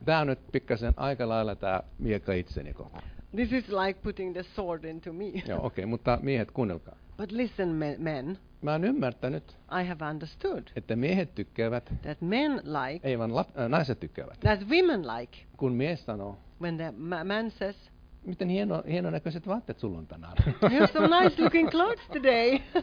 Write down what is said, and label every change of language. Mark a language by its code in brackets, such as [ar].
[fi] Tämä on nyt pikkasen aika lailla tämä miekka itseni koko. [en] This is like putting the sword into me. [fi] Joo, okei, mutta miehet, kuunnelkaa. [en] But listen, men. [fi] Mä oon ymmärtänyt. [en] I have understood. [fi] Että miehet tykkäävät. [en] That men like. [fi] Ei vaan naiset tykkäävät. [en] That women like. [fi] Kun mies sanoo. [en] When the man says. [fi] Miten hieno näköiset vaatteet sulla on tänään. [en] You have some nice looking clothes today.